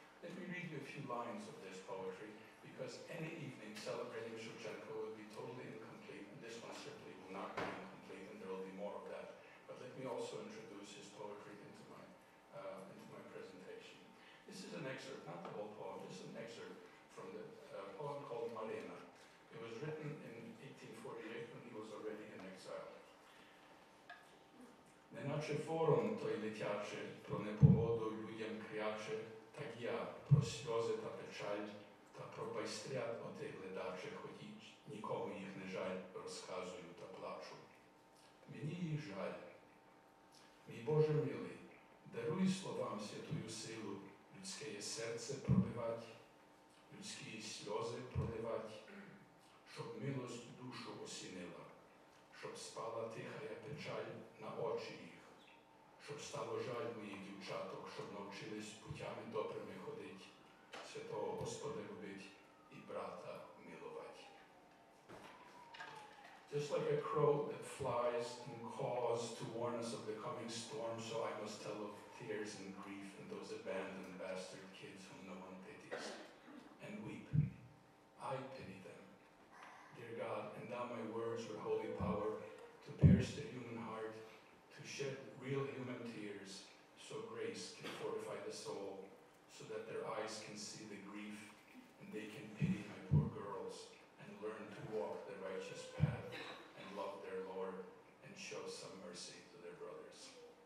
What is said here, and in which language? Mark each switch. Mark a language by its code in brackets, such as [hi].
[en] Let me read you a few lines of this poetry, because any evening celebrating Shevchenko would be totally incomplete, and this one certainly will not be incomplete, and there will be more of that. But let me also introduce his poetry into my presentation. This is an excerpt, not the whole poem, this is an excerpt from the poem called Marina. It was written in 1848 when he was already in exile. [uk] Неначе ворон той летяче, про непогоду людям кряче, так я про сльози та печаль, та про байстрят отих глядаче, хоч нікому їх не жаль, розказую та плачу. Мені їх жаль. Мій Боже милий, даруй словам святую силу, людське серце пробивати, людські сльози проливати, щоб милость душу осінила, щоб спала тиха печаль на очі їх, щоб стало жаль моїх дівчаток, щоб навчились путями добрими ходити, святого Господа любити і брата милувати. [en] Just like a crow that flies and calls to warn us of the coming storm, so I must tell of tears and grief and those abandoned bastard kids whom no one pities, and weep. I pity them. Dear God, endow my words with holy power to pierce the human heart, to shed real human tears, so grace can fortify the soul, so that their eyes can see the grief and they can pity my poor girls and learn to walk the righteous path and love their Lord and show some mercy to their brothers.